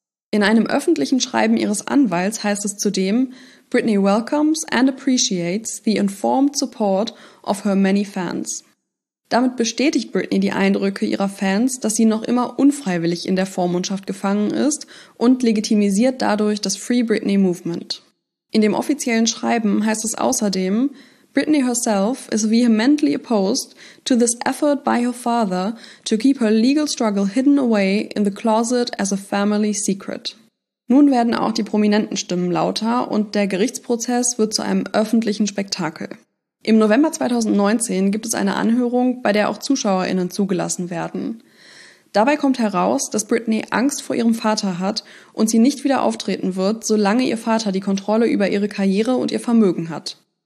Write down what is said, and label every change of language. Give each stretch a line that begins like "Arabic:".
German: In einem öffentlichen Schreiben ihres Anwalts heißt es zudem,
English: Britney welcomes and appreciates the informed support of her many fans.
German: Damit bestätigt Britney die Eindrücke ihrer Fans, dass sie noch immer unfreiwillig in der Vormundschaft gefangen ist und legitimisiert dadurch das Free Britney Movement. In dem offiziellen Schreiben heißt es außerdem,
English: Britney herself is vehemently opposed to this effort by her father to keep her legal struggle hidden away in the closet as a family secret.
German: Nun werden auch die prominenten Stimmen lauter und der Gerichtsprozess wird zu einem öffentlichen Spektakel. Im November 2019 gibt es eine Anhörung, bei der auch ZuschauerInnen zugelassen werden. Dabei kommt heraus, dass Britney Angst vor ihrem Vater hat und sie nicht wieder auftreten wird, solange ihr Vater die Kontrolle über ihre Karriere und ihr Vermögen hat.